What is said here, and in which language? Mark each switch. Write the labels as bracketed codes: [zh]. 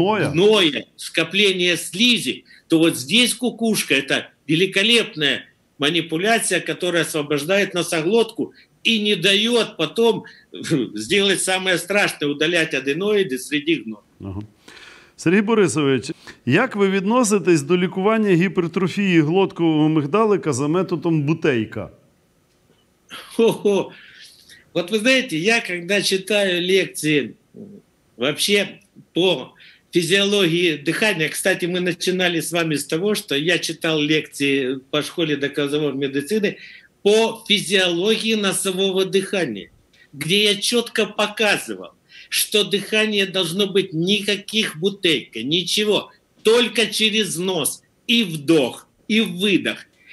[ru] гноя, скопление слизи, то вот здесь кукушка – это великолепная манипуляция, которая освобождает носоглотку и не дает потом сделать самое страшное – удалять аденоиды среди гноя. [uk] Сергій Борисович, як ви відноситесь до лікування гіпертрофії глоткового мигдалика за методом Бутейка? Ого! [ru] Вот вы знаете, я когда читаю лекции вообще по физиологии дыхания, кстати, мы начинали с вами с того, что я читал лекции по школе доказовой медицины по физиологии носового дыхания, где я четко показывал, что дыхание должно быть никаких бутылька, ничего, только через нос и вдох, и выдох.